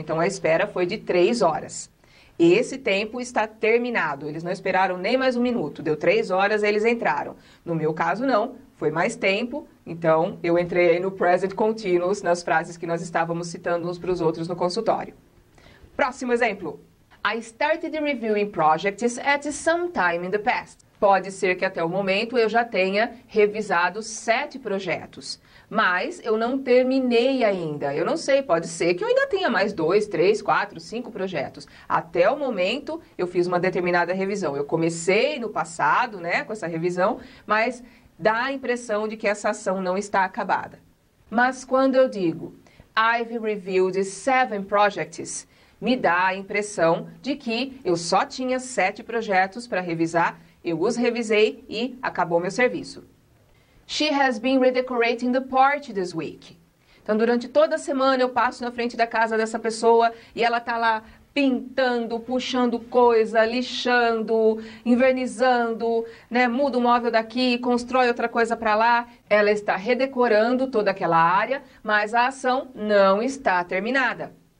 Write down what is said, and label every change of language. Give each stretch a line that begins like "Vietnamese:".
Portuguese: Então a espera foi de 3 horas. Esse tempo está terminado. Eles não esperaram nem mais um minuto. Deu 3 horas e eles entraram. No meu caso, não. Foi mais tempo. Então, eu entrei aí no present continuous, nas frases que nós estávamos citando uns para os outros no consultório. Próximo exemplo.
English: I started reviewing projects at some time in the past.
Portuguese: Pode ser que até o momento eu já tenha revisado 7 projetos, mas eu não terminei ainda. Eu não sei, pode ser que eu ainda tenha mais 2, 3, 4, 5 projetos. Até o momento eu fiz uma determinada revisão. Eu comecei no passado, né, com essa revisão, mas dá a impressão de que essa ação não está acabada. Mas quando eu digo
English: I've reviewed 7 projects,
Portuguese: me dá a impressão de que eu só tinha 7 projetos para revisar. Eu os revisei e acabou meu serviço.
English: She has been redecorating the porch this week.
Portuguese: Então, durante toda a semana, eu passo na frente da casa dessa pessoa e ela está lá pintando, puxando coisa, lixando, envernizando, né? Muda o um móvel daqui, constrói outra coisa para lá. Ela está redecorando toda aquela área, mas a ação não está terminada.